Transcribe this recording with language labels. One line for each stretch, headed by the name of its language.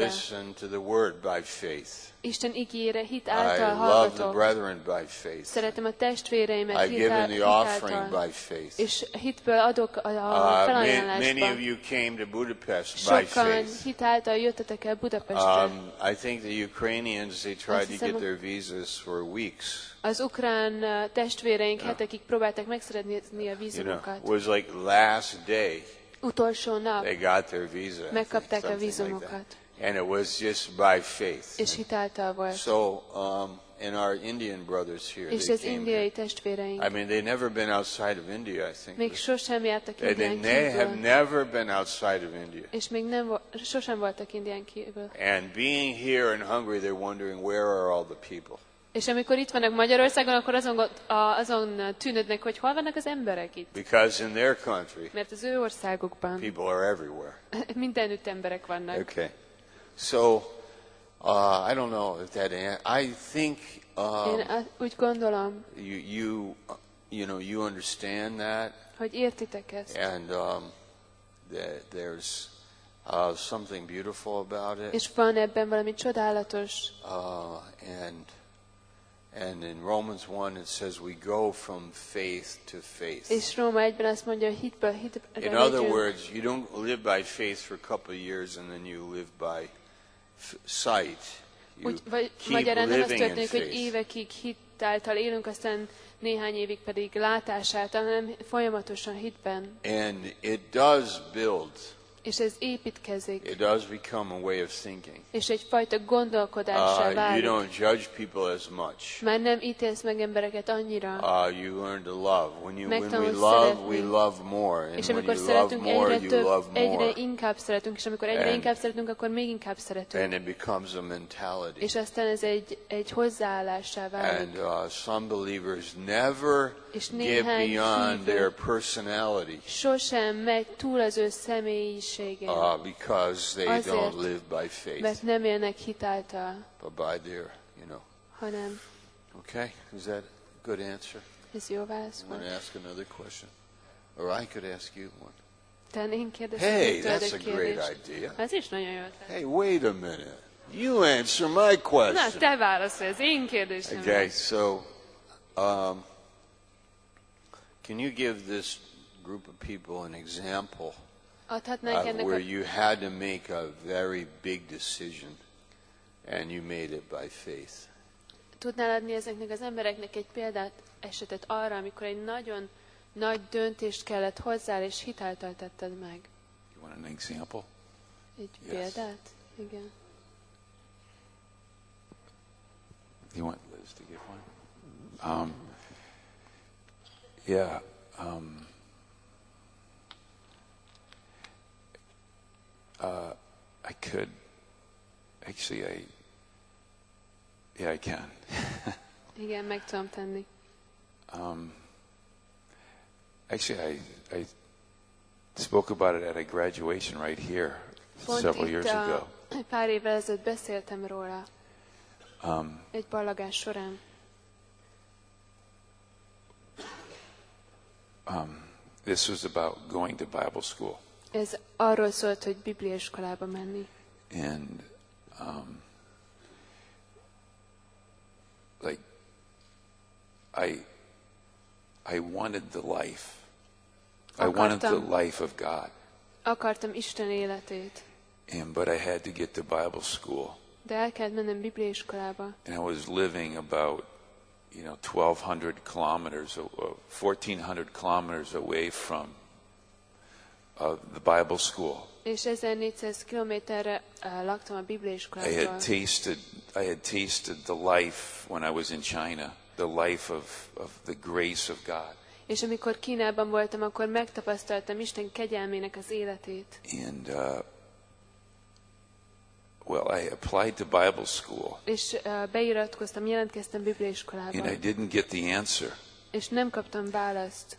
English: I listen to the word by faith.
Hungarian: Isten igére hitáltal hallgatok.
English: I love the brethren by faith.
Hungarian: Szeretem a testvéreimet hitáltal.
English: I give in the offering by faith.
Hungarian: És hitből adok a felajánlásba.
English: Many of you came to Budapest
Hungarian: sokan
English: by faith.
Hungarian: Sokan hitáltal jöttetek el Budapestre.
English: I think the Ukrainians, they tried to get their visas for weeks.
Hungarian: Az ukrán testvéreink yeah. hetekig próbálták megszerezni a vízumokat.
English: You know, was like last day.
Hungarian: Utolsó nap.
English: They got their visa.
Hungarian: Megkapták a vízumokat.
English: Like and it was just by faith.
Hungarian: És hitáltal volt.
English: So, in our Indian brothers here.
Hungarian: És az indiai testvéreink.
English: I mean, they've never been outside of India, I think.
Hungarian: Még sosem jártak Indián kívül.
English: They have never been outside of India.
Hungarian: És még nem sosem voltak Indián kívül.
English: And being here in Hungary, they're wondering where are all the people.
Hungarian: És amikor itt vannak Magyarországon, akkor azon tűnődnek, hogy hol vannak az emberek itt.
English: Because in their country.
Hungarian: Mert az ő országukban.
English: People are everywhere.
Hungarian: Mindenütt emberek vannak.
English: Okay. So I don't know if that I think
Hungarian: úgy gondolom,
English: you know you understand that
Hungarian: hogy értitek ezt.
English: And there's something beautiful about it
Hungarian: és van ebben valami csodálatos
English: and And in Romans 1 it says we go from faith to faith.
Hungarian: És Róma 1-ben azt mondja, hitből hitre megyünk.
English: In other words, you don't live by faith for a couple of years and then you live by sight.
Hungarian: Magyarán nem azt történik, hogy évekig hittáltal élünk, aztán néhány évig pedig látásáltal, hanem folyamatosan hitben.
English: And it does build.
Hungarian: És ez építkezik.
English: It does become a way of thinking.
Hungarian: És egyfajta gondolkodással válik.
English: You don't judge people as much.
Hungarian: Már nem ítélsz meg embereket annyira.
English: You learn to love. When we love, we love more.
Hungarian: And és amikor szeretünk more, egyre több, egyre inkább szeretünk. És amikor egyre inkább szeretünk, akkor még inkább szeretünk.
English: And it becomes a mentality.
Hungarian: És aztán ez egy hozzáállássá válik.
English: And some believers never get beyond their personality.
Hungarian: Sosem megy túl az ő személy.
English: Because they
Hungarian: azért,
English: don't live by faith.
Hungarian: Mert nem élnek hitáltal.
English: But by their, you know.
Hungarian: Hanem.
English: Okay, is that a good answer?
Hungarian: Ez jó válasz volt.
English: I'm going to ask another question. Or I could ask you one. Hey, that's a great idea.
Hungarian: Ez is nagyon jó ötlet.
English: Hey, wait a minute. You answer my question.
Hungarian: Na, te válaszolsz, én kérdésem.
English: Okay, so, can you give this group of people an example? Where you had to make a very big decision and you made it by faith.
Hungarian: Tudnál adni ezeknek az embereknek egy példát, esetet arra, amikor egy nagyon nagy döntést kellett hozzál és hitáltal tetted meg.
English: You want an example?
Hungarian: Egy példát? Igen.
English: You want Liz to give one? I could actually I can.
Hungarian: Igen, meg tudom tenni.
English: Actually I spoke about it at a graduation right here
Hungarian: pont
English: several years ago.
Hungarian: Pár évvel ezelőtt beszéltem róla. Egy ballagás során.
English: This was about going to Bible school.
Hungarian: Ez arról szólt, hogy bibliaiskolába menni.
English: And I wanted the life.
Hungarian: Akartam,
English: I wanted the life of God.
Hungarian: Akartam Isten életét.
English: And but I had to get to Bible school.
Hungarian: De el kellett mennem bibliaiskolába.
English: And I was living about, you know, 1200 kilometers or 1400 kilometers away from the Bible school.
Hungarian: És 1400 kilométerre laktam a bibliaiskolában.
English: I had tasted the life when I was in China, the life of the grace of God.
Hungarian: És amikor Kínában voltam, akkor megtapasztaltam Isten kegyelmének az életét.
English: And I applied to Bible school.
Hungarian: És beiratkoztam, jelentkeztem bibliaiskolába.
English: And I didn't get the answer.
Hungarian: És nem kaptam választ.